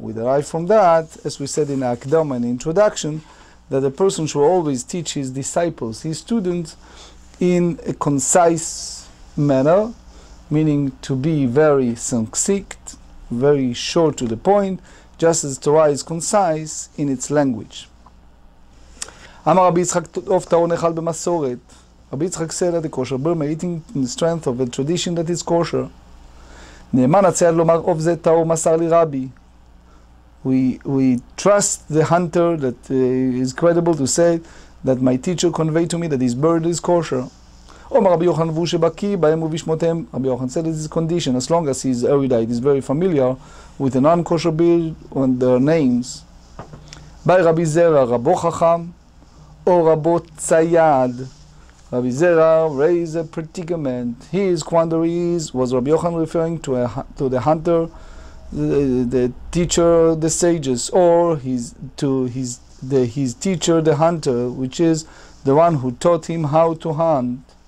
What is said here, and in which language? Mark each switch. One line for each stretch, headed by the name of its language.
English: We derive from that, as we said in the Akdam and introduction, that the person should always teach his disciples, his students, in a concise manner, meaning to be very succinct, very short to the point, just as Torah is concise in its language.
Hebrew: אמר רבי יצחק עוף טהור נאכל במסורת.
English: רבי יצחק said that the kosher bird may eat in the strength of a tradition that is kosher.
Hebrew: נאמן הצייד לומר עוף זה טהור מסר לי רבי.
English: We trust the hunter that is credible to say that my teacher conveyed to me that his bird is kosher.
Hebrew: אמר רבי יוחנן והוא שבקי בהם ובשמותיהם.
English: רבי יוחנן said that his condition, as long as he is erudite, is very familiar with a non-kosher bird and their names.
Hebrew: ביי רבי זרע רבו חכם.
English: O Rabbo Tzayad, Rabbi Zera raised a predicament. His quandary is, was Rabbi Yochanan referring to the hunter, the teacher, the sages, or his teacher, the hunter, which is the one who taught him how to hunt.